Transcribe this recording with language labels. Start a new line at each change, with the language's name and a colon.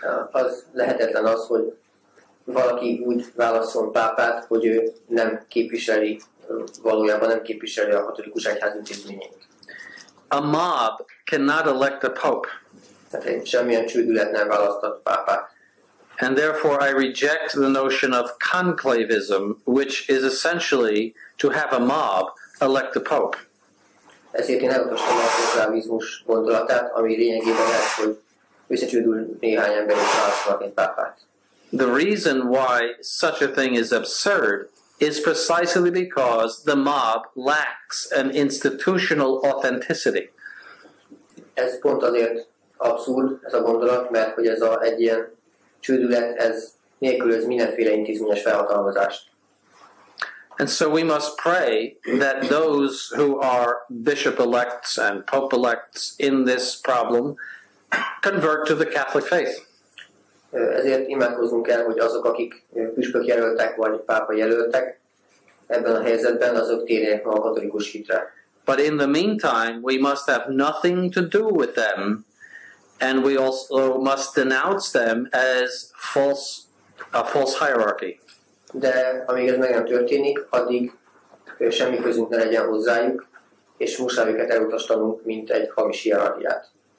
Hungarian: Az lehetetlen az, hogy valaki úgy válaszol pápát, hogy ő nem képviseli, valójában nem képviseli a katolikus egyház intézményét.
English: A mob cannot elect a pope.
Hungarian: Semmilyen csődület nem választott pápát.
English: And therefore I reject the notion of conclavism, which is essentially to have a mob elect the pope.
Hungarian: Ezért én elutasítom a konklavizmus gondolatát, ami lényegében ez, hogy összecsődül néhány ember és választanak egy pápát.
English: The reason why such a thing is absurd is precisely because the mob lacks an institutional authenticity.
Hungarian: Ez pont azért abszurd, ez a gondolat, mert hogy ez a egy ilyen csődület, ez nélkülöz mindenféle intézményes felhatalmazást.
English: And so we must pray that those who are bishop elects and pope elects in this problem convert to the Catholic faith.
Hungarian: Ezért imádkozunk el, hogy azok, akik püspök jelöltek vagy pápa jelöltek ebben a helyzetben, azok térjenek a katolikus hitre.
English: But in the meantime, we must have nothing to do with them, and we also must denounce them as a false hierarchy.
Hungarian: De amíg ez meg nem történik, addig semmi közünk ne legyen hozzájuk, és muszáj őket elutasítanunk, mint egy hamis hierarchiát.